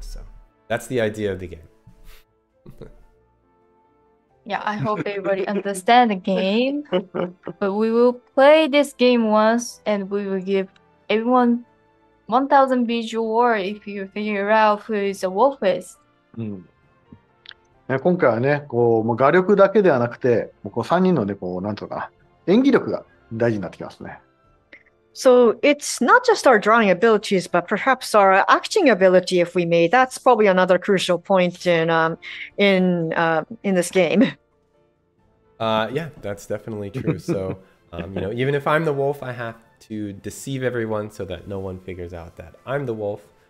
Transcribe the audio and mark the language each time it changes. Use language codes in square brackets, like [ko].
[en] So that's the idea of the game. Yeah, I hope everybody understands the game. But we will play this game once and we will give everyone 1,000 visual reward if you figure out who is the wolf is. Mm. [ja] 今回はね、こう、もう画力だけではなくて、もうこう3人のね、こう、なんとか、演技力が大事になってきますね。 [en] So, it's not just our drawing abilities, but perhaps our acting ability, if we may. That's probably another crucial point in this game. Yeah, that's definitely true. So, you know, even if I'm the wolf, I have to deceive everyone so that no one figures out that I'm the wolf.